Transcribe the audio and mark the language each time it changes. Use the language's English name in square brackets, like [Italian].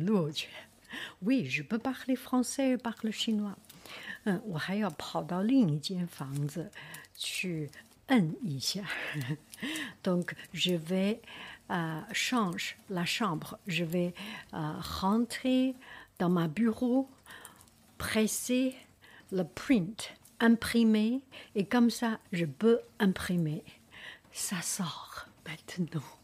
[Chinese] 跑20里路去。 [French] Oui, je peux parler français, parler chinois. [Chinese] 我还要跑到另一间房子去摁一下。 [French] Donc, je vais changer la chambre. Je vais rentrer dans ma bureau, presser le print, imprimer. Et comme ça, je peux imprimer. Ça sort maintenant.